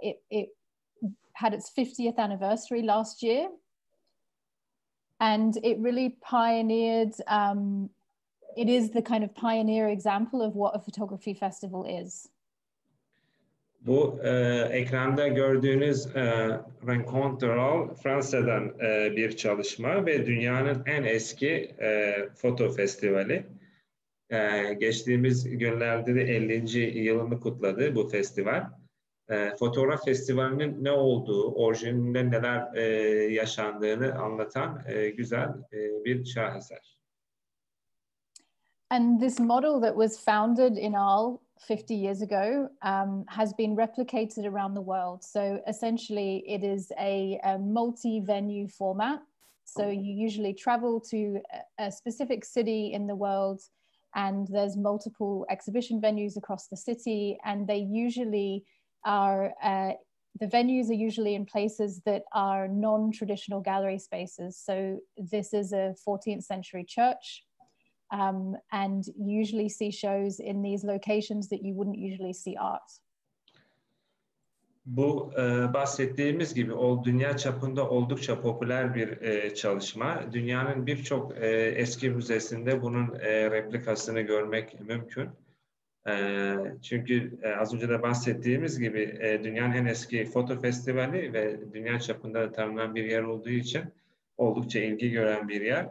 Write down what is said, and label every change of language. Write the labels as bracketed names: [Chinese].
[English] It had its 50th anniversary last year. And it really pioneered, it is the kind of pioneer example of what a photography festival is. [Turkish] Bu ekranda gördüğünüz Rencontre d'Arles Fransa'dan bir çalışma ve dünyanın en eski foto festivali. Geçtiğimiz günlerde de 50. yılını kutladı bu festival. Fotoğraf festivalinin ne olduğu, orijininde neler yaşandığını anlatan güzel bir şaheser. [English] And this model that was founded in Arles 50 years ago has been replicated around the world. So essentially it is a multi-venue format. So you usually travel to a specific city in the world and there's multiple exhibition venues across the city, and they usually are the venues are usually in places that are non-traditional gallery spaces. So this is a 14th century church, and you usually see shows in these locations that you wouldn't usually see art. [Turkish] Bu bahsettiğimiz gibi dünya çapında oldukça popüler bir çalışma. Dünyanın birçok eski müzesinde bunun replikasını görmek mümkün. Çünkü az önce de bahsettiğimiz gibi dünyanın en eski foto festivali ve dünya çapında da tanınan bir yer olduğu için oldukça ilgi gören bir yer.